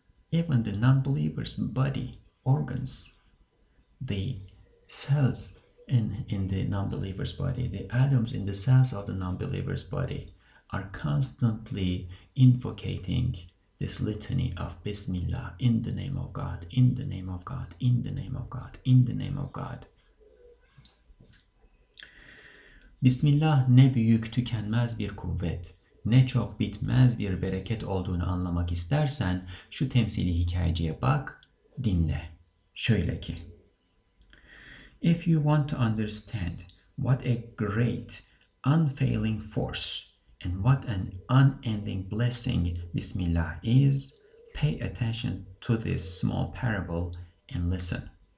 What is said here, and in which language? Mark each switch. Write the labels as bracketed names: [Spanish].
[English] Even the non-believer's body, organs, the cells in the non-believer's body, the atoms in the cells of the non-believer's body are constantly invocating this litany of Bismillah, in the name of God, in the name of God, in the name of God, in the name of God. [Turkish] Bismillah ne büyük tükenmez bir kuvvet, ne çok bitmez bir bereket olduğunu anlamak istersen, şu temsili hikayeciye bak, dinle. Şöyle ki, [English] if you want to understand what a great unfailing force and what an unending blessing Bismillah is, pay attention to this small parable and listen.